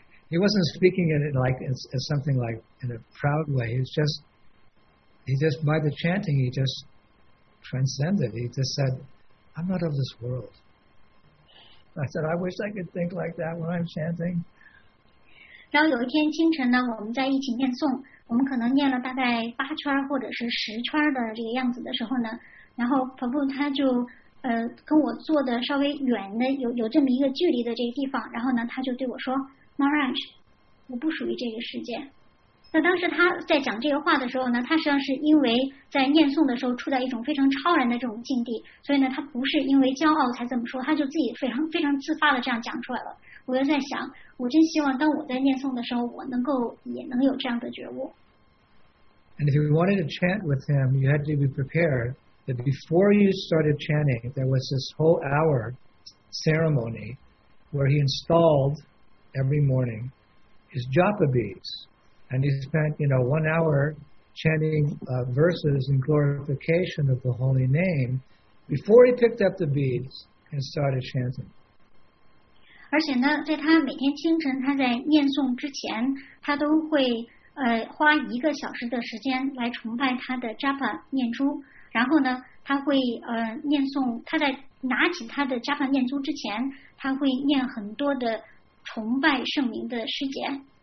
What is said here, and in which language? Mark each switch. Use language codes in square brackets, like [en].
[en] He wasn't speaking in it like as something like in a proud way. He just by the chanting, he just transcended. He just said, "I'm not of this world." I said, "I wish I could think like that when I'm chanting." [zh] 然后有一天清晨呢，我们在一起念诵，我们可能念了大概8圈或者是10圈的这个样子的时候呢，然后婆婆她就跟我坐的稍微远的有这么一个距离的这个地方，然后呢，她就对我说 ，Maharaj， 我不属于这个世界。那当时他在讲这个话的时候呢，他实际上是因为在念诵的时候处在一种非常超然的这种境地，所以呢，他不是因为骄傲才这么说，他就自己非常非常自发的这样讲出来了。我就在想，我真希望当我在念诵的时候，我能够也能有这样的觉悟。 [en] And if you wanted to chant with him, you had to be prepared that before you started chanting, there was this whole hour ceremony where he installed every morning his japa beads. And he spent, you know, 1 hour chanting verses in glorification of the Holy Name before he picked up the beads and started chanting. [zh] 而且呢，在他每天清晨他在念诵之前，他都会花一个小时的时间来崇拜他的 Japa 念珠。然后呢，他会念诵，他在拿起他的 Japa 念珠之前，他会念很多的崇拜圣名的诗节。